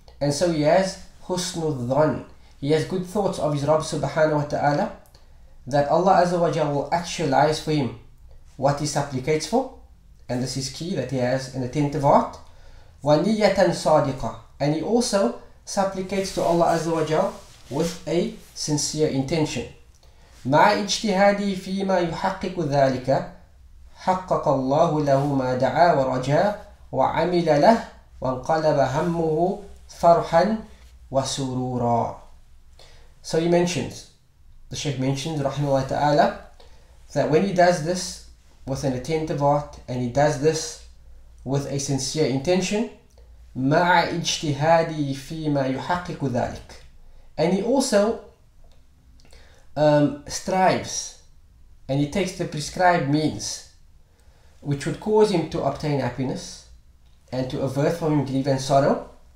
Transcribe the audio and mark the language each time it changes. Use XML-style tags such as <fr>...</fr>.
<en>And so he has husnul dhan, he has good thoughts of his Rabb subhanahu wa ta'ala, that Allah Azza wa Jalla will actualize for him what he supplicates for. And this is key, that he has an attentive heart.</en> <ar>وَنِيَّةً صَادِقَةً.</ar> <en>And he also supplicates to Allah Azza wa Jal with a sincere intention.</en> <ar>مع اجتهادي فيما يحقق ذلك حقق الله له ما دعا ورجا وعمل له وانقلب همه فرحا وسرورا.</ar> <en>So he mentions, the Shaykh mentions, rahimahullah ta'ala, that when he does this with an attentive heart and he does this with a sincere intention,</en> <ar>مَعَ اجْتِهَادِي فِي مَا يُحَقِّقُ ذَلِكَ,</ar> <en>and he also strives and he takes the prescribed means which would cause him to obtain happiness and to avert from him grief and sorrow.</en>